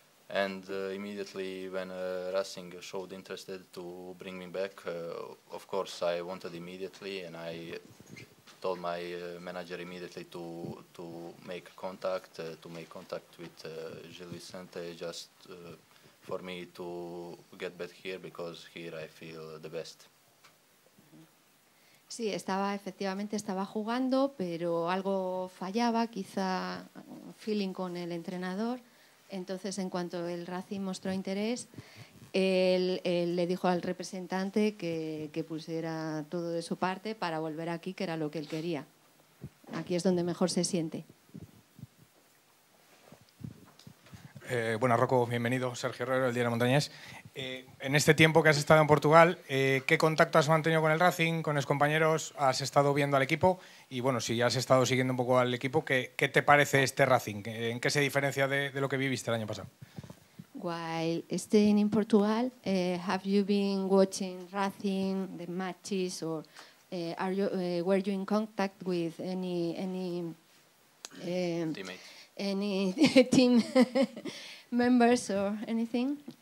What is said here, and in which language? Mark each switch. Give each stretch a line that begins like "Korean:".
English: And immediately when Racing showed interest to bring me back, of course I wanted immediately, and I told my manager immediately to make contact, to make contact with Gil Vicente, just for me to get back here because here I feel the best.
Spanish: Sí, estaba jugando, pero algo fallaba, quizá feeling con el entrenador. Entonces, en cuanto el Racing mostró interés, él le dijo al representante que pusiera todo de su parte para volver aquí, que era lo que él quería. Aquí es donde mejor se siente. Buenas, Rocco, bienvenido. Sergio Herrero, el Diario Montañés. En este tiempo que has estado en Portugal, ¿qué contacto has mantenido con el Racing, con los compañeros? ¿Has estado viendo al equipo? Y bueno, si has estado siguiendo un poco al equipo, ¿qué te parece este Racing? ¿En qué se diferencia de lo que viviste el año pasado?
English: while staying in Portugal, have you been watching Racing, the matches, or are you were you in contact with any teammates, any team members, or anything?